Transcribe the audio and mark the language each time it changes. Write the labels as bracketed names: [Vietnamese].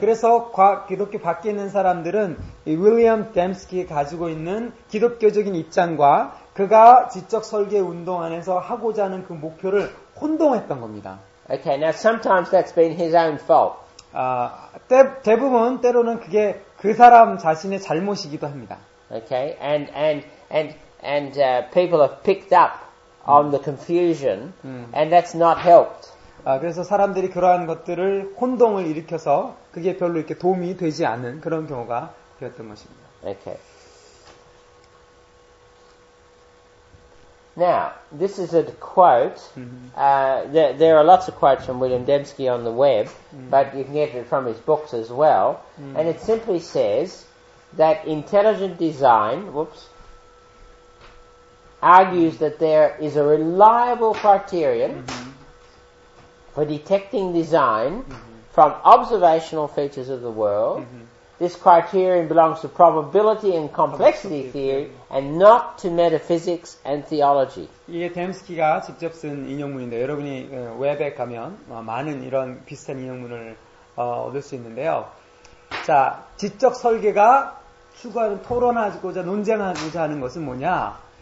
[Korean] 그래서 기독교 밖에 있는 사람들은 이 윌리엄 뎀스키가 가지고 있는 기독교적인 입장과 그가 지적 설계 운동 안에서 하고자 하는 그 목표를 혼동했던 겁니다. [English] Okay, now sometimes that's been his own fault. [Korean] 대부분 때로는 그게 그 사람 자신의 잘못이기도 합니다. [English] Okay, and people have picked up on the confusion, and that's not helped. [Korean] 그래서 사람들이 그러한 것들을 혼동을 일으켜서 그게 별로 이렇게 도움이 되지 않는 그런 경우가 되었던 것입니다. [English] Okay. Now, this is a quote. There are lots of quotes from William Dembski on the web, but you can get it from his books as well. And it simply says that intelligent design, argues that there is a reliable criterion for detecting design from observational features of the world. This criterion belongs to probability and complexity theory, and not to metaphysics and theology. [Korean] 이게 뎀스키가 직접 쓴 인용문인데 여러분이 웹에 가면 많은 이런 비슷한 인용문을 얻을 수 있는데요. 자, 지적 설계가 추구하는 토론하고자 논쟁하고자 하는 것은 뭐냐?